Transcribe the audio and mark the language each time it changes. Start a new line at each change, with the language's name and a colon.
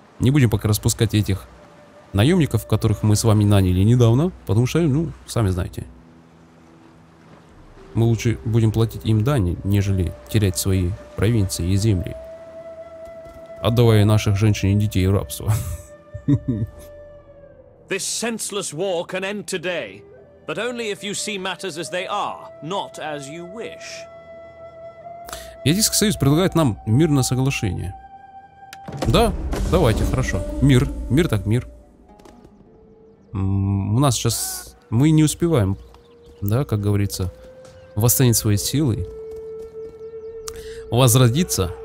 Russian: Не будем пока распускать этих наемников, которых мы с вами наняли недавно. Потому что, ну, сами знаете. Мы лучше будем платить им дань, нежели терять свои провинции и земли. Отдавая наших женщин и детей в рабство.
English: This senseless war can end today, but only if you see matters as they are, not as you wish.
Russian: Ядиский союз предлагает нам мирное соглашение. Да, давайте, хорошо. Мир. У нас сейчас... Мы не успеваем, да, как говорится, восстановить свои силы. Возродиться.